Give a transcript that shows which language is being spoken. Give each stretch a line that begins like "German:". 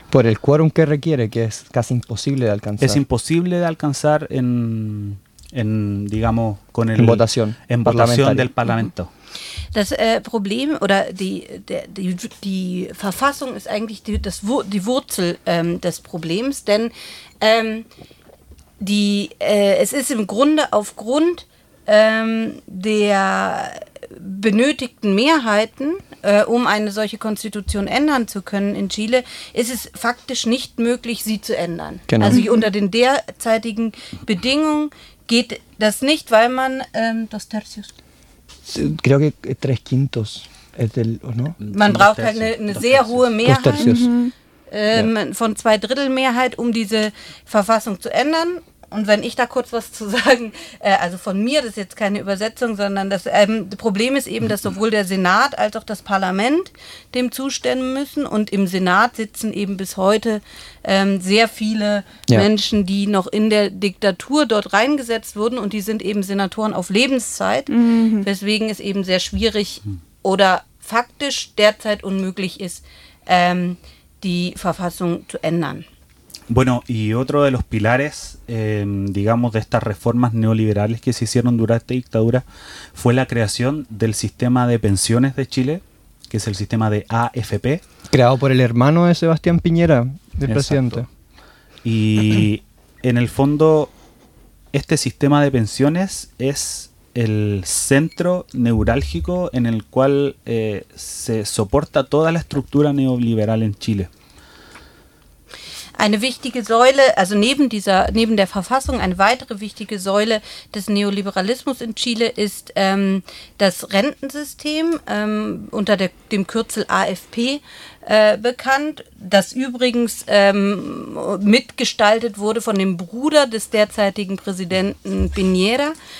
Spanish: Por el quórum que requiere, que es casi imposible de alcanzar. Es imposible de alcanzar en digamos, con el... En votación. En votación del parlamento.
German: Das Problem oder die Verfassung ist eigentlich die Wurzel des Problems, denn es ist im Grunde aufgrund der benötigten Mehrheiten, um eine solche Konstitution ändern zu können in Chile, ist es faktisch nicht möglich, sie zu ändern. Genau. Also unter den derzeitigen Bedingungen geht das nicht, weil man das Tercios...
Spanish: Creo que tres quintos es del, ¿no?
German: Man braucht halt eine sehr hohe Mehrheit von zwei Drittel Mehrheit, um diese Verfassung zu ändern. Und wenn ich da kurz was zu sagen, also von mir, das ist jetzt keine Übersetzung, sondern das Problem ist eben, dass sowohl der Senat als auch das Parlament dem zustimmen müssen. Und im Senat sitzen eben bis heute sehr viele Menschen, die noch in der Diktatur dort reingesetzt wurden. Und die sind eben Senatoren auf Lebenszeit, weswegen es eben sehr schwierig oder faktisch derzeit unmöglich ist, die Verfassung zu ändern.
Spanish: Bueno, y otro de los pilares, digamos, de estas reformas neoliberales que se hicieron durante esta dictadura fue la creación del sistema de pensiones de Chile, que es el sistema de AFP. Creado por el hermano de Sebastián Piñera, el presidente. Y en el fondo, este sistema de pensiones es el centro neurálgico en el cual se soporta toda la estructura neoliberal en Chile.
German: Eine wichtige Säule, also neben der Verfassung, eine weitere wichtige Säule des Neoliberalismus in Chile ist das Rentensystem unter dem Kürzel AFP bekannt, das übrigens mitgestaltet wurde von dem Bruder des derzeitigen Präsidenten Piñera.